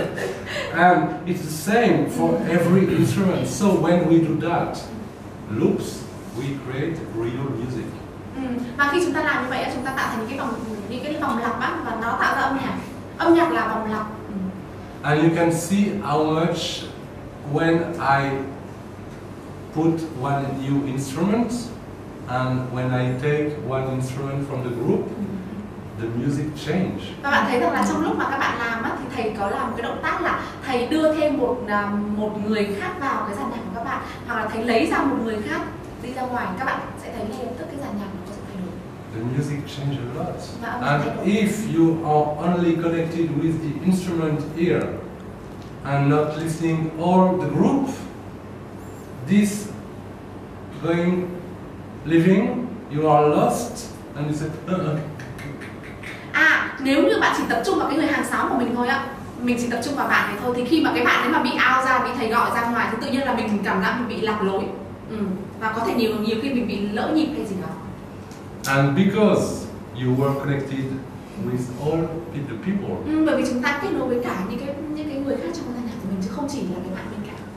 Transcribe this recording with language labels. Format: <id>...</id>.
<en>So when we do that, loops, we create real music.</en> <vi>Mà khi chúng ta làm như vậy chúng ta tạo thành cái vòng lặp á, và nó tạo ra âm nhạc. Âm nhạc là vòng lặp.</vi> <en>And you can see how much when I put one new instrument and when I take one instrument from the group, the music change.</en> <vi>Và bạn thấy rằng là trong lúc mà các bạn làm á, thì thầy có làm cái động tác là thầy đưa thêm một một người khác vào cái dàn nhạc của các bạn, hoặc là thầy lấy ra một người khác đi ra ngoài, các bạn sẽ thấy ngay lập tức cái dàn nhạc nó sẽ thay đổi.</vi> <en>The music changes a lot. And if you are only connected with the instrument here and not listening all the group, this going living, you are lost and you say</en> <vi>À, nếu như bạn chỉ tập trung vào cái người hàng xóm của mình thôi ạ, mình chỉ tập trung vào bạn ấy thôi, thì khi mà cái bạn ấy mà bị out ra, bị thầy gọi ra ngoài, thì tự nhiên là mình cảm giác mình bị lạc lối. Và có thể nhiều khi mình bị lỡ nhịp hay gì đó.</vi> <en>And because you were connected with all the people.</en> <vi>Bởi vì chúng ta kết nối với cả những cái người khác trong dàn nhạc của mình, chứ không chỉ là cái bạn mình cả.</vi>